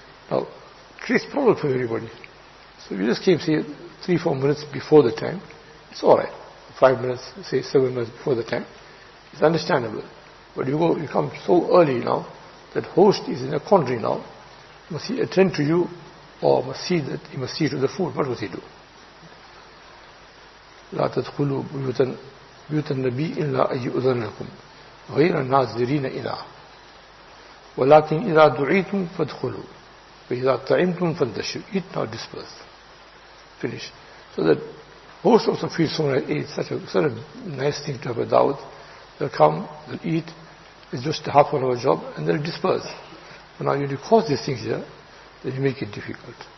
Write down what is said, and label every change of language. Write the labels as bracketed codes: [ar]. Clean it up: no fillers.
[en] Now, it creates problem for everybody. So you just came, say, 3-4 minutes before the time, it's alright. 5 minutes, say 7 minutes before the time, it's understandable. But you come so early now, that host is in a quandary now. Must he attend to you, or must see that he must see to the food? What must he do? [ar] لا تدخلوا بيوت النبي إلا أن يؤذن لكم غير الناظرين إلى ولكن إذا دعيتم فادخلوا وإذا طعمتم فانتشروا. [en] Eat now, disperse. Finish. So that host also feels so nice. It's such a nice thing to have a da'wah. They'll come, they'll eat. It's just half an hour job, and they'll disperse. But now, when you cause these things here, then you make it difficult.